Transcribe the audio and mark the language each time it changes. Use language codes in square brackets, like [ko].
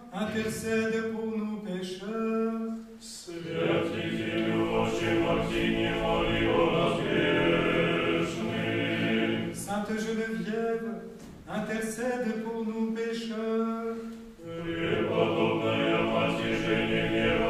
[fr] Intercède pour nous pécheurs. [cu] Святите, Отче Мартини, моли о нас грешных. [fr] Sainte Geneviève, intercède pour nous pécheurs. [cu] Преподобная Мати Женевьева,